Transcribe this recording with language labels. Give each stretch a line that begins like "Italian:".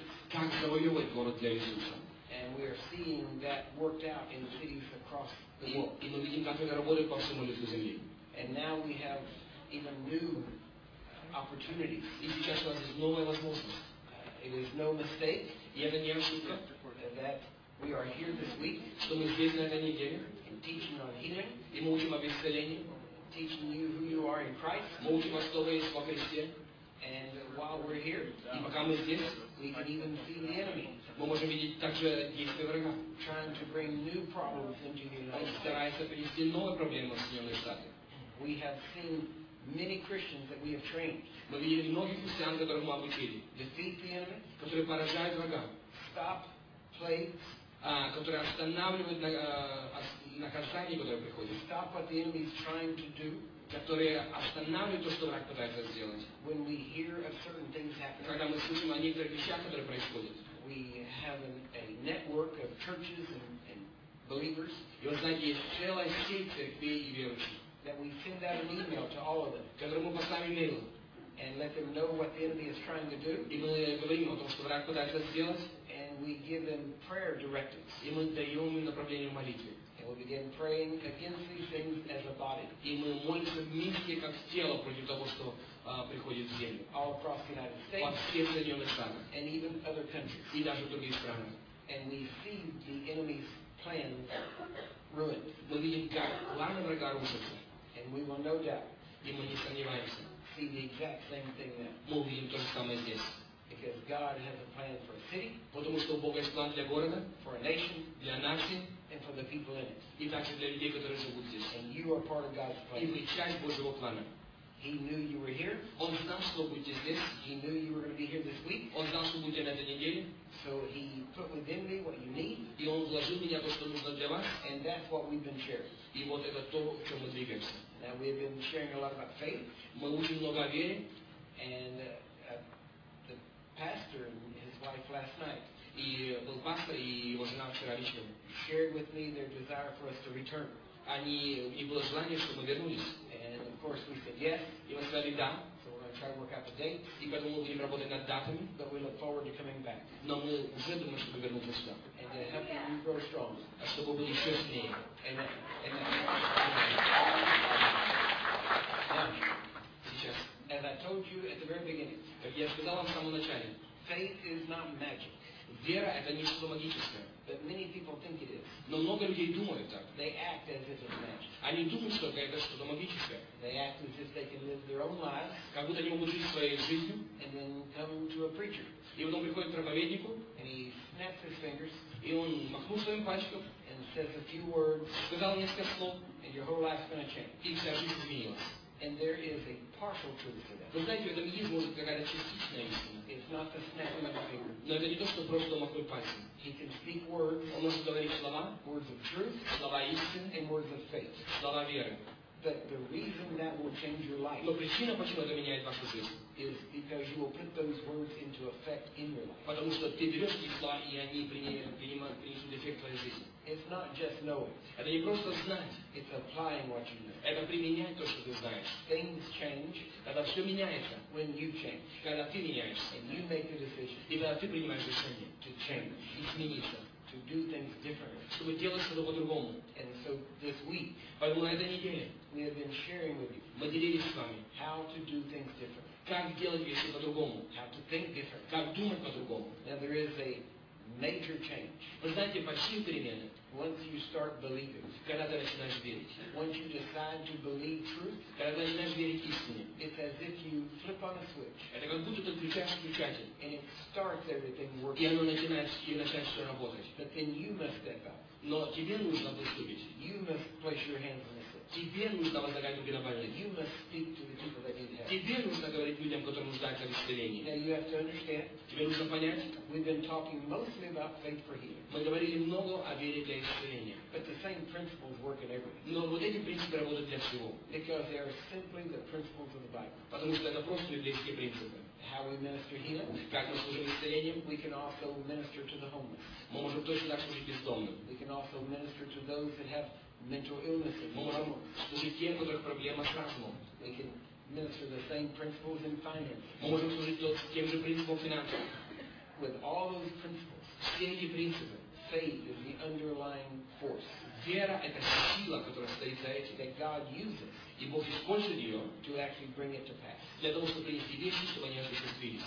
Russian: Как завоевать город для Иисуса.
English: And we are seeing that worked out in cities across the world.
Russian: И мы видим, как это работает по всему лицу земли.
English: And now we have even new opportunities.
Russian: И сейчас у нас есть новая возможность.
English: It is no mistake.
Russian: И это не ошибка.
English: That we are here this week.
Russian: Что мы здесь на этой неделе.
English: And teaching on healing.
Russian: И мы учим об исцелении.
English: Teaching you who you are in Christ.
Russian: Мы учим вас, кто вы есть во Христе.
English: And while we're here,
Russian: и пока мы здесь,
English: we can even see the enemy.
Russian: Мы можем видеть также действия врага.
English: Trying to bring new problems into the United States.
Russian: Он старается принести новые проблемы в Соединенные Штаты.
English: We have seen many Christians that we have trained.
Russian: Мы видели многих христиан, которых мы обучили.
English: Defeat the enemy.
Russian: Которые поражают врага.
English: Stop plagues.
Russian: Которые останавливают наказания, которые приходят.
English: Stop what the enemy is trying to do.
Russian: которые останавливают то, что враг пытается сделать.
English: When we hear of certain things happening,
Russian: когда мы слышим о некоторых вещах, которые происходят,
English: we have a network of churches and believers.
Russian: И вот, знаете, есть целая сеть церквей и верующих.
English: That we send out an email to all of them.
Russian: Которому мы поставим email.
English: And let them know what the enemy is trying to do.
Russian: И мы говорим о том, что враг пытается сделать.
English: And we give them prayer directives.
Russian: И мы даем им направление молитвы.
English: And we begin praying against these things as a body.
Russian: И мы молимся вместе как тело против того, что приходит в землю.
English: All across the United States.
Russian: Во всех Соединенных Штатах.
English: And even other countries.
Russian: И даже в других странах.
English: And we see the enemy's plan ruined.
Russian: Мы видим, как планы врага рушатся.
English: And we will no doubt.
Russian: И мы не сомневаемся.
English: See the exact same thing there.
Russian: Мы увидим то же самое здесь.
English: Because God has a plan for a city,
Russian: потому что у Бога есть план для города,
English: for a nation,
Russian: для нации,
English: and for the people in it.
Russian: И также для людей, которые живут здесь.
English: And you are part of God's plan.
Russian: И вы часть Божьего плана.
English: He knew you were here.
Russian: Он знал, что будете здесь.
English: He knew you were going to be here this week.
Russian: Он знал, что будете на этой неделе.
English: So he put within me what you need.
Russian: И он вложил в меня то, что нужно для вас.
English: And that's what we've been sharing.
Russian: И вот это то, о чем мы двигаемся.
English: Now we've been sharing a lot about faith.
Russian: Мы учим много о вере.
English: And the pastor and his wife last night.
Russian: И был пастор и его жена вчера вечером.
English: Shared with me their desire for us to return.
Russian: Они и было желание, чтобы мы вернулись.
English: And of course we said yes.
Russian: И мы сказали да.
English: So we're going to try to work out the date.
Russian: И поэтому мы будем работать над датами.
English: But we look forward to coming back.
Russian: Но мы уже думаем, чтобы вернуться сюда.
English: And to help you grow strong.
Russian: А чтобы были еще сильнее.
English: Amen.
Russian: Сейчас.
English: As I told you at the very beginning.
Russian: Как я сказал вам в самом начале.
English: Faith is not magic.
Russian: Вера — это не что-то магическое.
English: But many people think it is.
Russian: Но много людей думают так.
English: They act as if it's magic.
Russian: Они думают, что это что-то магическое.
English: They act as if they can live their own lives.
Russian: Как будто они могут жить своей жизнью.
English: And then come to a preacher.
Russian: И потом приходит к проповеднику.
English: And he snaps his fingers.
Russian: И он махнул своим пальчиком.
English: And says a few words.
Russian: Сказал несколько слов.
English: And your whole life's gonna change.
Russian: И вся жизнь изменилась.
English: And there is a partial truth to that.
Russian: Вы знаете, в этом есть, может, какая-то частичная истина.
English: It's not the snapping of a finger.
Russian: Но это не то, что просто махнуть пальцем.
English: He can speak words.
Russian: Он может говорить слова.
English: Words of truth.
Russian: Слова истины.
English: And words of faith.
Russian: Слова веры.
English: But the reason that will change your life.
Russian: Но причина, почему это меняет вашу жизнь.
English: Is because you will put those words into effect in your life.
Russian: Потому что ты берешь эти слова, и они принесут эффект в твоей жизни.
English: It's not just knowing.
Russian: Это не просто знать.
English: It's applying what you know.
Russian: Это применять то, что ты знаешь.
English: Things change.
Russian: Когда все меняется.
English: When you change.
Russian: Когда ты меняешься.
English: And you make the decision.
Russian: И когда ты принимаешь решение.
English: To change.
Russian: Измениться.
English: To do things differently.
Russian: Чтобы делать что-то по-другому.
English: And so this week.
Russian: Поэтому на этой неделе.
English: We have been sharing with you.
Russian: Мы делились с вами.
English: How to do things differently.
Russian: Как делать вещи по-другому.
English: How to think differently.
Russian: Как думать по-другому.
English: Now there is a major change.
Russian: Вы знаете, большие перемены.
English: Once you start believing.
Russian: Когда ты начинаешь верить.
English: Once you decide to believe truth.
Russian: Когда ты начинаешь верить истине.
English: It's as if you flip on a switch.
Russian: Это как будто ты включаешь включатель.
English: And it starts everything working.
Russian: И оно начинает все работать.
English: But then you must step up.
Russian: Но тебе нужно выступить.
English: You must place your hands on the switch.
Russian: Тебе нужно возлагать руки на больных.
English: You must speak to the people that need help.
Russian: Тебе нужно говорить людям, которые нуждаются в исцелении.
English: Now you have to understand.
Russian: Тебе нужно понять.
English: We've been talking mostly about faith for healing.
Russian: Мы говорили много о вере для исцеления.
English: But the same principles work in everything.
Russian: Но вот эти принципы работают для всего.
English: Because they are simply the principles of the Bible.
Russian: Потому что это просто библейские принципы.
English: How we minister healing.
Russian: Как мы служим исцелением.
English: We can also minister to the homeless.
Russian: Мы можем точно так служить бездомным.
English: We can also minister to those that have mental illnesses.
Russian: Мы можем служить тем, у которых проблемы с разумом.
English: We can minister the same principles in finance.
Russian: Мы можем служить тем же принципам финансов.
English: With all those principles.
Russian: Все эти принципы.
English: Faith is the underlying force.
Russian: Вера — это сила, которая стоит за этим.
English: That God uses.
Russian: И Бог использует ее.
English: To actually bring it to pass.
Russian: Для того, чтобы принести вещи, чтобы они осуществились.